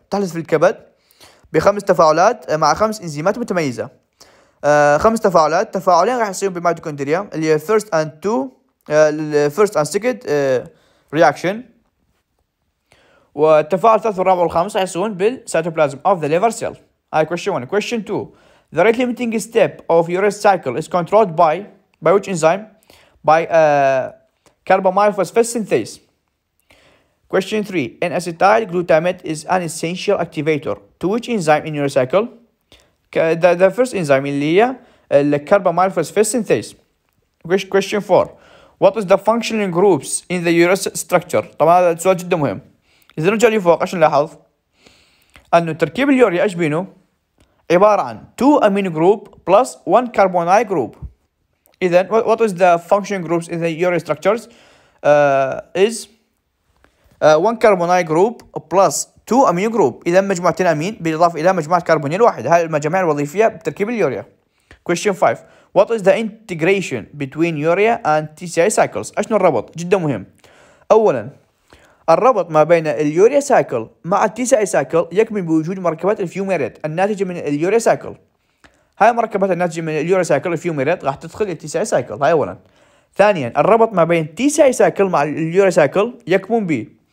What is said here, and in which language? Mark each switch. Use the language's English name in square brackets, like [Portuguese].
[Arabic] تحدث في الكبد بخمس تفاعلات مع خمس إنزيمات متميزة. خمس تفاعلات، تفاعلين راح يصيرون بالميتوكوندريا اللي هي [English] first and two first and second reaction، [Arabic] والتفاعل الثالث والرابع والخامس راح يصيرون بالسيتوبلازم [English] of the liver cell. [Arabic] هاي [English] question one. question two، the rate limiting step of urea cycle is controlled by which enzyme؟ by carbamyl phosphate synthase. question 3, N-acetyl glutamate is an essential activator to which enzyme in urea cycle؟ the first enzyme [Arabic] اللي هي [English] carbamyl phosphate synthase. question 4, what is the functioning groups in the urea structure؟ [Arabic] طبعا هذا سؤال جدا مهم. اذا نرجع لفوق ايش نلاحظ؟ انه تركيب اليوريا ايش بينه؟ عبارة عن [English] 2 amino group plus 1 carbonyl group. [Arabic] إذا [English] what is the functioning groups in the urea structures is 1 carbonyl group plus 2 amino group. [Arabic] إذا مجموعتين أمين بالإضافة إلى مجموعة كربونيل واحدة. هاي المجاميع الوظيفية بتركيب اليوريا. [English] Question 5. What is the integration between urea and TCI cycles? [Arabic] أشنو الربط؟ جدا مهم. أولا الربط ما بين اليوريا سايكل مع التيسي سايكل يكمن بوجود مركبات الفيوميريت الناتجة من اليوريا سايكل. هاي مركبات الناتجة من اليوريا سايكل الفيوميريت راح تدخل التيسي سايكل. هاي أولا. ثانيا الربط ما بين التيسي سايكل مع اليوريا سايكل يكمن به.